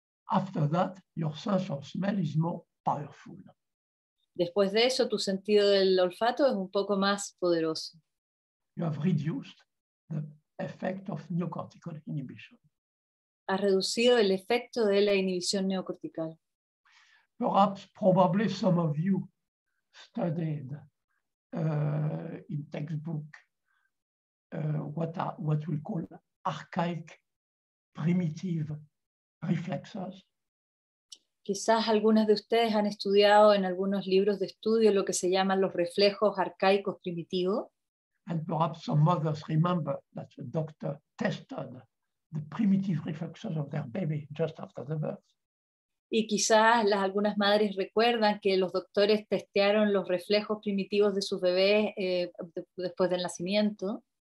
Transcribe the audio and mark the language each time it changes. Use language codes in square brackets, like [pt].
[en] after that, your sense of smell is more powerful. [es] Después de eso, tu sentido del olfato es un poco más poderoso. [en] You have reduced the effect of neocortical inhibition. [es] Ha reducido el efecto de la inhibición neocortical. [en] Perhaps, probably some of you studied in textbook what we call archaic primitive reflexes. [es] Quizás algunas de ustedes han estudiado en algunos libros de estudio lo que se llaman los reflejos arcaicos primitivos. [en] And perhaps some mothers remember that the doctor tested the primitive reflexes of their baby just after the birth. [es] Y quizás algunas madres recuerdan que los doctores testearon los reflejos primitivos de sus bebés después del nacimiento.